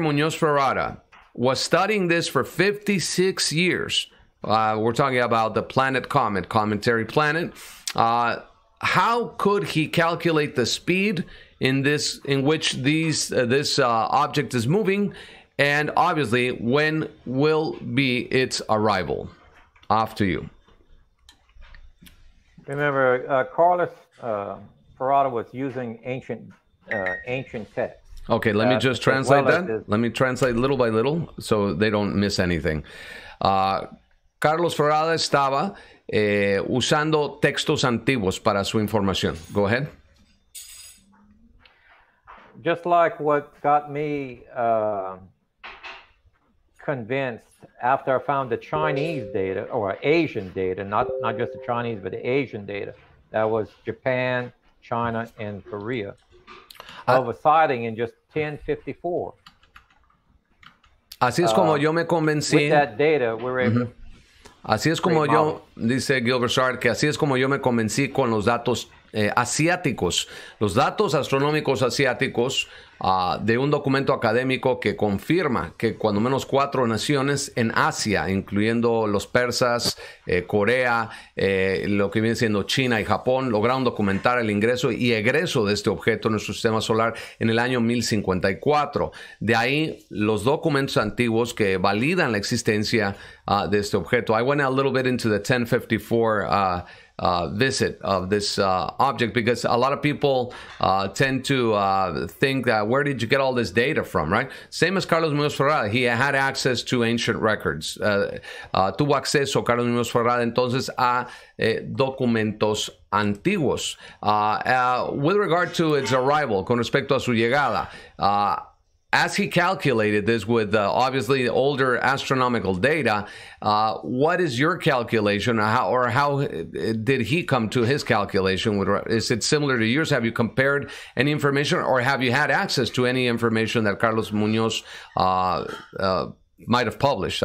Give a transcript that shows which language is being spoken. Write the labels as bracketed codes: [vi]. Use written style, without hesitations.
[en] Muñoz Ferrada was studying this for 56 years, we're talking about the planet comet, cometary planet, how could he calculate the speed in which this object is moving, and obviously when will be its arrival? Off to you. Remember, Carlos Ferrada was using ancient text. Okay, let me just translate that. Let me translate little by little so they don't miss anything. [es] Carlos Ferrada estaba usando textos antiguos para su información. [en] Go ahead. Just like what got me convinced after I found the Chinese data or Asian data, not just the Chinese, but the Asian data. That was Japan, China, and Korea. Of a sighting in just 1054. [es] Así es como yo me convencí. [en] With that data, we're able. Mm-hmm. [es] Así es como yo, dice Gilbert Sard, que así es como yo me convencí con los datos asiáticos, los datos astronómicos asiáticos de un documento académico que confirma que cuando menos cuatro naciones en Asia, incluyendo los persas, Corea, lo que viene siendo China y Japón, lograron documentar el ingreso y egreso de este objeto en nuestro sistema solar en el año 1054. De ahí los documentos antiguos que validan la existencia de este objeto. [en] I went a little bit into the 1054 visit of this object, because a lot of people tend to think that, where did you get all this data from, right? Same as Carlos Muñoz Ferrada. He had access to ancient records. [es] Tuvo acceso Carlos Muñoz Ferrada entonces a documentos antiguos. [en] With regard to its arrival, [es] con respecto a su llegada, [en] as he calculated this with obviously older astronomical data, what is your calculation, or how did he come to his calculation? Is it similar to yours? Have you compared any information, or have you had access to any information that Carlos Muñoz might have published?